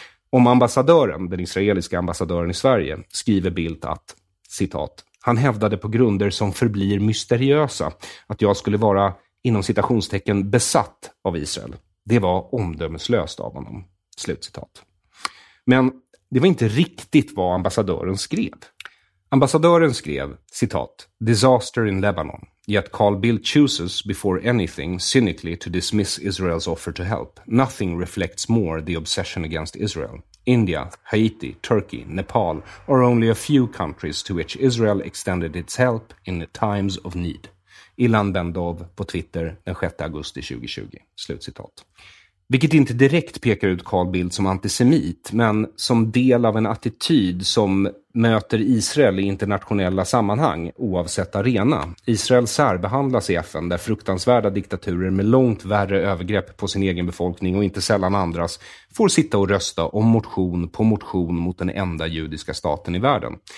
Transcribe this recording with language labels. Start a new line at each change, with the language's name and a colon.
Swedish: Om ambassadören, den israeliska ambassadören i Sverige, skriver Bildt att, citat, han hävdade på grunder som förblir mysteriösa att jag skulle vara, inom citationstecken, besatt av Israel. Det var omdömeslöst av honom. Slutcitat. Men det var inte riktigt vad ambassadören skrev. Ambassadören skrev, citat,
English: disaster in Lebanon, yet Carl Bildt chooses before anything cynically to dismiss Israel's offer to help. Nothing reflects more the obsession against Israel. India, Haiti, Turkey, Nepal are only a few countries to which Israel extended its help in times of need.
Swedish: Ilan Bendov på Twitter den 6 augusti 2020. Slutcitat. Vilket inte direkt pekar ut Carl Bildt som antisemit, men som del av en attityd som möter Israel i internationella sammanhang, oavsett arena. Israel särbehandlas i FN där fruktansvärda diktaturer med långt värre övergrepp på sin egen befolkning och inte sällan andras får sitta och rösta om motion på motion mot den enda judiska staten i världen.